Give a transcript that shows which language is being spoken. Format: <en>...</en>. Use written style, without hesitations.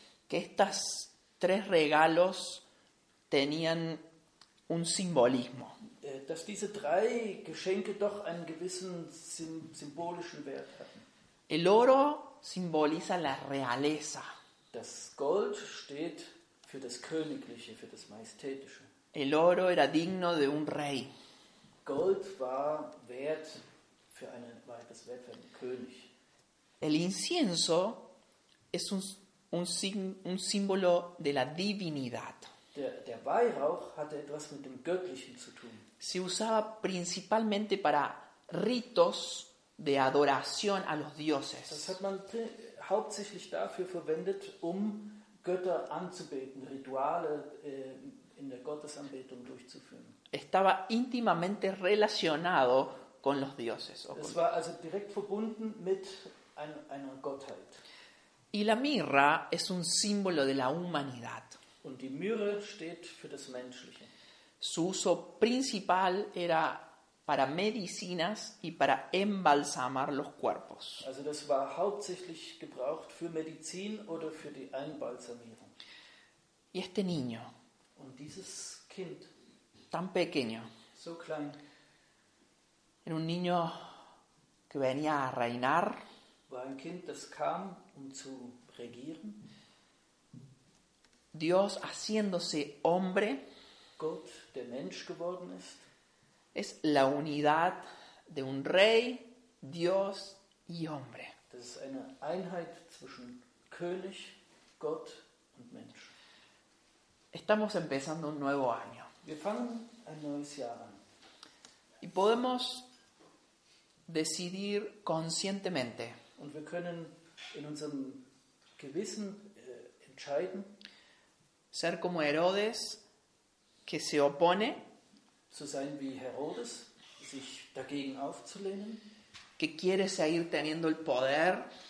<es>que estas tres regalos tenían un simbolismo.</es> <de>Dass diese drei Geschenke doch einen gewissen symbolischen Wert hatten.</de> <es>El oro simboliza la realeza.</es> <de>Das Gold steht für das Königliche, für das Majestätische.</de> <es>El oro era digno de un rey.</es> <de>Gold war wert für einen, war das wert für einen König.</de> <es>El incienso es un símbolo de la divinidad.</es> <de>Der Weihrauch hatte etwas mit dem Göttlichen zu tun.</de> <es>Se usaba principalmente para ritos de adoración a los dioses.</es> <de>Das hat man hauptsächlich dafür verwendet, um Götter anzubeten, Rituale in der Gottesanbetung durchzuführen.</de> <es>Estaba íntimamente relacionado con los dioses.</es> <de>Es war also direkt verbunden mit einer Gottheit.</de> <es>Y la mirra es un símbolo de la humanidad.</es> <de>Und die Myrrhe steht für das Menschliche.</de> <es>Su uso principal era para medicinas y para embalsamar los cuerpos.</es> <de>Also das war hauptsächlich gebraucht für Medizin oder für die Einbalsamierung.</de> <es>Y este niño.</es> <de>Und dieses Kind.</de> <es>Tan pequeño.</es> <de>So klein.</de> <es>Era un niño que venía a reinar.</es> <de>War ein Kind, das kam, um zu regieren.</de> <es>Dios haciéndose hombre.</es> <de>Gott, der Mensch geworden ist.</de> <es>Es la unidad de un rey, Dios y hombre.</es> <de>Das ist eine Einheit zwischen König, Gott und Mensch.</de> <es>Estamos empezando un nuevo año.</es> <de>Wir fangen ein neues Jahr an.</de> <es>Y podemos decidir conscientemente.</es> <de>Und wir können in unserem Gewissen entscheiden.</de> <es>Ser como Herodes, que se opone.</es> <de>Zu sein wie Herodes, sich dagegen aufzulehnen.</de> <es>Que quiere seguir teniendo el poder.</es>